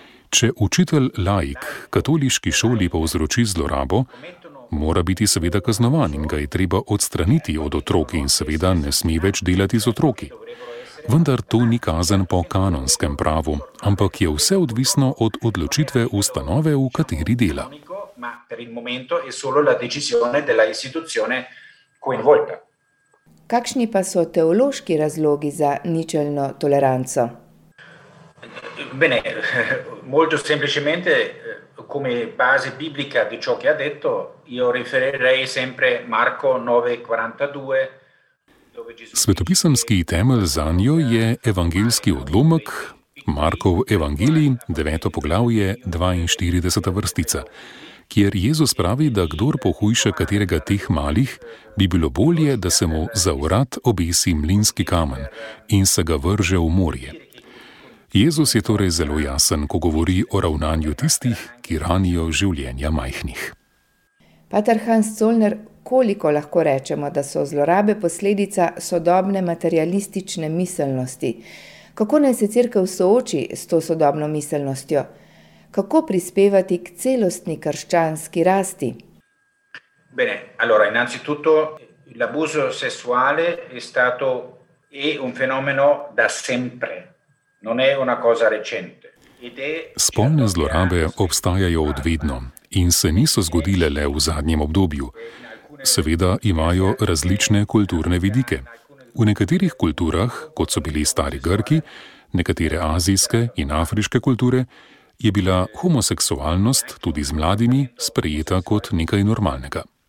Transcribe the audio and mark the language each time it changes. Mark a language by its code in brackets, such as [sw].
[sl] Če učitelj laik katoliški šoli povzroči zlorabo, mora biti seveda kaznovan in ga je treba odstraniti od otrok in seveda ne sme več delati z otroki. Vendar to ni kazen po kanonskem pravu, ampak je vse odvisno od odločitve ustanove, v kateri dela. [it] Per il momento è solo la decisione della istituzione coinvolta. [sl] Kakšni pa so teološki razlogi za ničelno toleranco? [it] Bene, molto semplicemente come base biblica di ciò che ha detto, io riferirei sempre Marco 9:42. [sl] Svetopisemski temelj zanjo je evangeljski odlomek Markov evangelij, 9. poglavje, 42. vrstica. Kjer Jezus pravi, da kdor pohujša katerega teh malih, bi bilo bolje, da se mu za vrat obesi mlinski kamen in se ga vrže v morje. Jezus je torej zelo jasen, ko govori o ravnanju tistih, ki ranijo življenja majhnih. Pater Hans Zollner, koliko lahko rečemo, da so zlorabe posledica sodobne materialistične miselnosti? Kako naj se cerkev sooči s to sodobno miselnostjo? Kako prispevati k celostni krščanski rasti? [it] Bene, allora innanzitutto l'abuso sessuale è stato e un fenomeno da sempre. Non è una cosa recente. [sl] Spolne zlorabe obstajajo od vedno in se niso zgodile le v zadnjem obdobju. Seveda imajo različne kulturne vidike. V nekaterih kulturah, kot so bili stari Grki, nekatere azijske in afriške kulture, je bila homoseksualnost tudi z mladimi sprejeta kot nekaj normalnega.